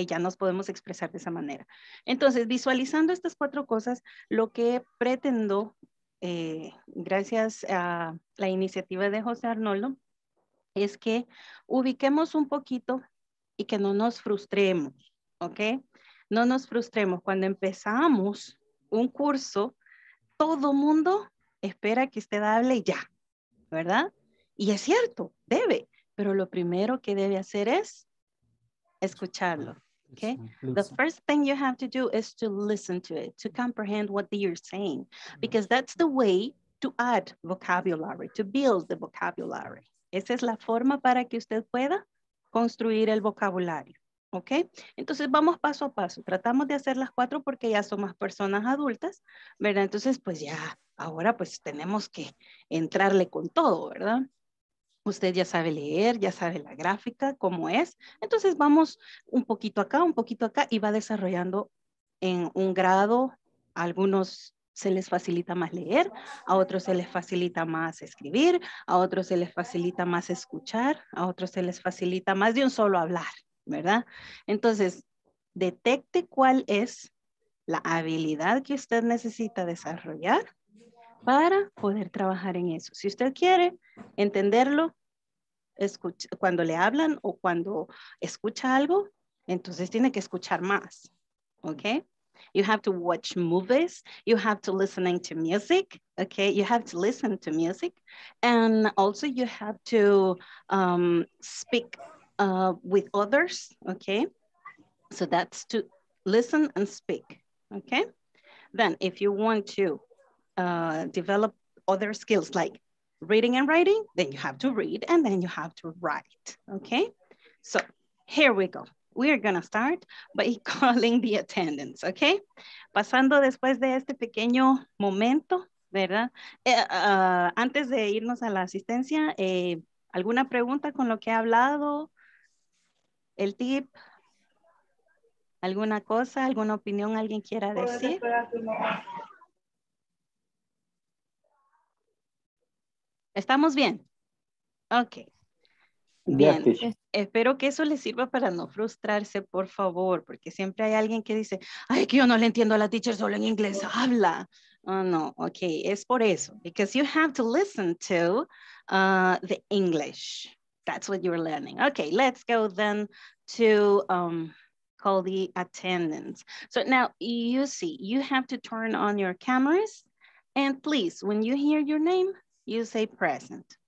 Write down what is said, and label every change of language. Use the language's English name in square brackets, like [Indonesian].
[Spanish] Ya nos podemos expresar de esa manera. Entonces, visualizando estas cuatro cosas, lo que pretendo, gracias a la iniciativa de José Arnoldo, es que ubiquemos un poquito y que no nos frustremos, ¿ok? No nos frustremos. Cuando empezamos un curso, todo mundo espera que usted hable ya, ¿verdad? Y es cierto, debe, pero lo primero que debe hacer es escucharlo, ¿ok? [English] Listen. The first thing you have to do is to listen to it, to comprehend what you're saying, because that's the way to add vocabulary, to build the vocabulary. [Spanish] Esa es la forma para que usted pueda construir el vocabulario, ¿ok? Entonces vamos paso a paso, tratamos de hacer las cuatro porque ya somos personas adultas, ¿verdad? Entonces pues ya, ahora pues tenemos que entrarle con todo, ¿verdad? Usted ya sabe leer, ya sabe la gráfica, cómo es. Entonces vamos un poquito acá y va desarrollando en un grado. A algunos se les facilita más leer, a otros se les facilita más escribir, a otros se les facilita más escuchar, a otros se les facilita más de un solo hablar, ¿verdad? Entonces detecte cuál es la habilidad que usted necesita desarrollar para poder trabajar en eso. Si usted quiere entenderlo, escucha, cuando le hablan o cuando escucha algo, entonces tiene que escuchar más, okay? [English] You have to watch movies, you have to listen to music, okay? You have to listen to music, and also you have to speak with others, okay? So that's to listen and speak, okay? Then if you want to develop other skills like reading and writing, then you have to read and then you have to write, okay? So here we go. We are gonna start by calling the attendance, okay? [Spanish] Pasando después de este pequeño momento, ¿verdad? Antes de irnos a la asistencia, ¿alguna pregunta con lo que he hablado? ¿El tip? ¿Alguna cosa? ¿Alguna opinión alguien quiera decir? ¿Estamos bien? Ok. Bien. Gracias. Espero que eso le sirva para no frustrarse, por favor, porque siempre hay alguien que dice, ay, que yo no le entiendo a la teacher, solo en inglés habla. Oh, no. Ok, es por eso. [English] Because you have to listen to the English. That's what you're learning. Ok, let's go then to call the attendance. So now you see, you have to turn on your cameras. And please, when you hear your name, you say present.